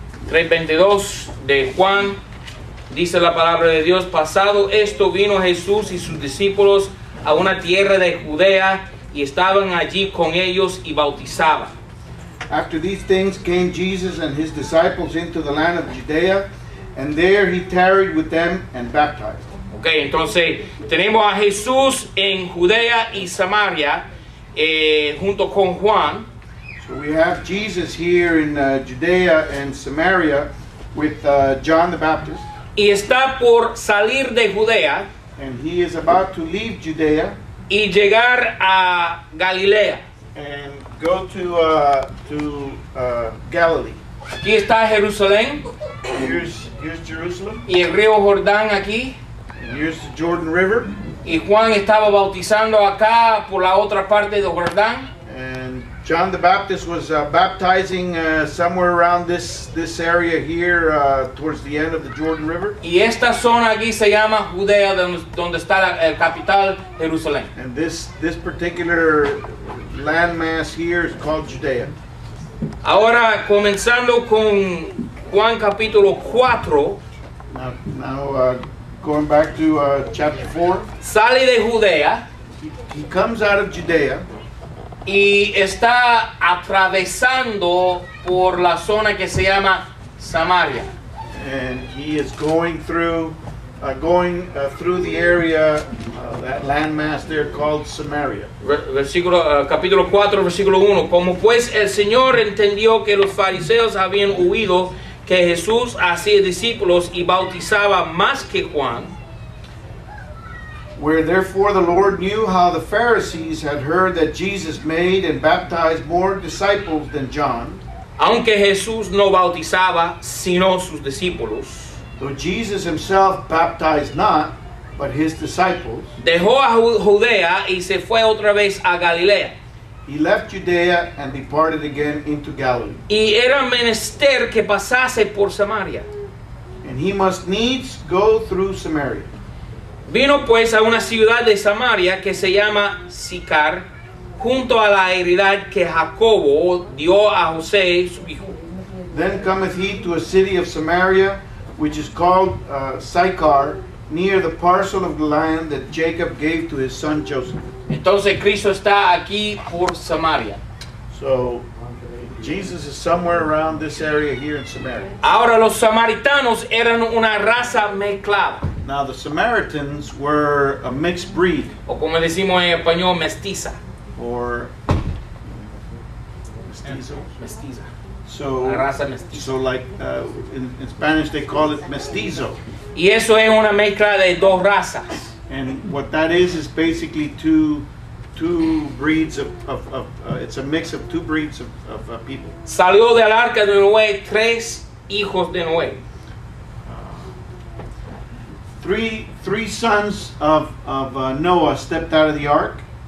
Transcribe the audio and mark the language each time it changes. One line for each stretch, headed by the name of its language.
Spanish: 3:22 de Juan, dice la palabra de Dios: pasado esto, vino Jesús y sus discípulos a una tierra de Judea, y estaban allí con ellos y bautizaba.
English: After these things came Jesus and his disciples into the land of Judea, and there he tarried with them and baptized.
Spanish: Okay, entonces tenemos a Jesús en Judea y Samaria junto con Juan.
English: So we have Jesus here in Judea and Samaria with John the Baptist.
Spanish: Y está por salir de Judea.
English: And he is about to leave Judea.
Spanish: Y llegar a Galilea.
English: And go to Galilee.
Spanish: Aquí está Jerusalén.
English: Here's Jerusalem.
Spanish: Y el río Jordán aquí.
English: Here's the Jordan River.
Spanish: Y Juan estaba bautizando acá por la otra parte del Jordán.
English: And John the Baptist was baptizing somewhere around this area here towards the end of the Jordan River.
Spanish: Y esta zona aquí se llama Judea, donde está la capital Jerusalén.
English: And this particular landmass here is called Judea.
Spanish: Ahora comenzando con Juan capítulo 4.
English: Going back to chapter 4.
Spanish: Sale de Judea.
English: He comes out of Judea.
Spanish: Y está atravesando por la zona que se llama Samaria.
English: And he is going through the area, that landmass there called Samaria.
Spanish: Capítulo 4, versículo 1. Como pues el Señor entendió que los fariseos habían huido, que Jesús hacía discípulos y bautizaba más que Juan.
English: Where therefore the Lord knew how the Pharisees had heard that Jesus made and baptized more disciples than John.
Spanish: Aunque Jesús no bautizaba, sino sus discípulos.
English: Though Jesus himself baptized not, but his disciples.
Spanish: Dejó a Judea y se fue otra vez a Galilea.
English: He left Judea and departed again into Galilee.
Spanish: Y era menester que pasase por Samaria.
English: And he must needs go through Samaria.
Spanish: Vino pues a una ciudad de Samaria que se llama Sicar, junto a la heredad que Jacobo dio a José, su hijo.
English: Then cometh he to a city of Samaria, which is called Sychar, near the parcel of the land that Jacob gave to his son Joseph.
Spanish: Entonces Cristo está aquí por Samaria.
English: So Jesus is somewhere around this area here in Samaria.
Spanish: Ahora los samaritanos eran una raza mezclada.
English: Now the Samaritans were a mixed breed.
Spanish: O como decimos en español, mestiza.
English: Or
Spanish: mestizo.
English: So
Spanish: la raza mestiza.
English: So like in Spanish they call it mestizo.
Spanish: Y eso es una mezcla de dos razas.
English: And what that is basically two breeds of it's a mix of two breeds of people.
Spanish: Salió del arca de Noé tres hijos de Noé.
English: Three sons of Noah stepped out of the ark.